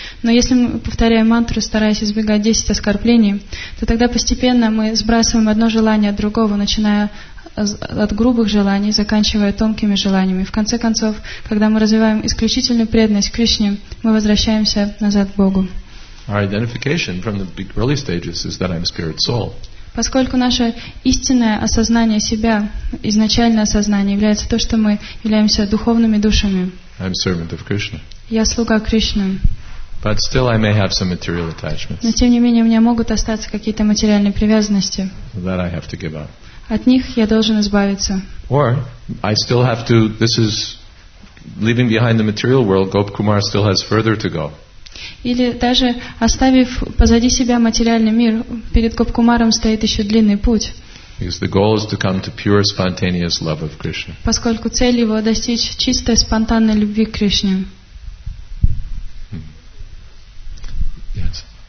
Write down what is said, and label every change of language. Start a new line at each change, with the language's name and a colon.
Russian: Но если мы повторяем мантру, стараясь избегать 10 оскорблений, то тогда постепенно мы сбрасываем одно желание от другого, начиная от грубых желаний, заканчивая тонкими желаниями. В конце концов, когда мы развиваем исключительную преданность Кришне, мы возвращаемся назад к Богу.
English: Our identification from the early stages is that I'm spirit soul.
Russian: Поскольку наше истинное осознание себя, изначальное осознание, является то, что мы являемся духовными душами.
English: I'm servant of Krishna.
Russian: Я слуга Кришны.
English: But still I may have some material attachments.
Russian: Но тем не менее у меня могут остаться какие-то материальные привязанности.
English: That I have to give up.
Russian: От них я должен избавиться.
English: Or I still have to, this is leaving behind the material world, Gopkumar still has further to go.
Russian: Или даже оставив позади себя материальный мир, перед Гопкумаром стоит еще длинный путь.
English: Because the goal is to come to pure spontaneous love of Krishna.
Russian: Поскольку цель его достичь чистой спонтанной любви к Кришне.
English: Yes.